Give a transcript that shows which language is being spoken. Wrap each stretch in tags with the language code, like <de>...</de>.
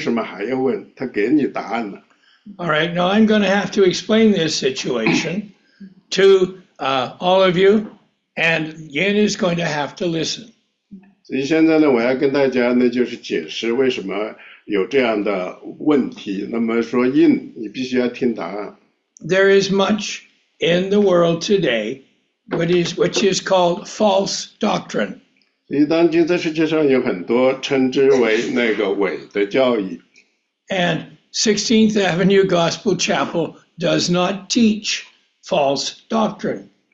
<zh>他说了，他已经回答过你问题，你为什么还要问？他给你答案了。</zh> <en>All right, now I'm going to have to explain this situation to all of you, and Yin is going to have to listen.</en> <zh>所以现在呢，我要跟大家呢，就是解释为什么有这样的问题。那么说，Yin，你必须要听答案。</zh> <en>There is much in the world today, which is called false doctrine.</en> <zh>所以当今在世界上有很多称之为那个伪的教义。</zh> <en>And 16th Avenue Gospel Chapel does not teach false doctrine.</en>